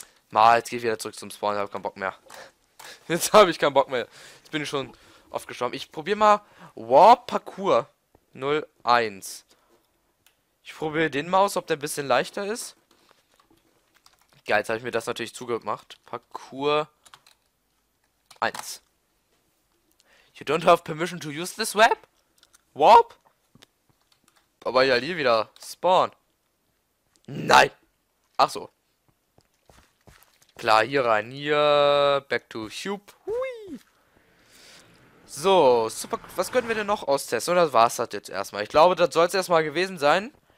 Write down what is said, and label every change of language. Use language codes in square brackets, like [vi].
[de] Mal, jetzt geh ich wieder zurück zum Spawn, ich hab keinen Bock mehr. Jetzt habe ich keinen Bock mehr. Jetzt bin ich schon oft gestorben. Ich probiere mal Warp Parcours 01. Ich probiere den Maus, ob der ein bisschen leichter ist. Geil, jetzt habe ich mir das natürlich zugemacht. Parcours 1. [en] You don't have permission to use this web? Warp? [de] Aber ja, hier wieder Spawn. Nein! Ach so. Klar, hier rein, hier. [en] Back to Cube. [de] Hui. So, super. Was können wir denn noch austesten? Und das war's das jetzt erstmal. Ich glaube, das soll es erstmal gewesen sein.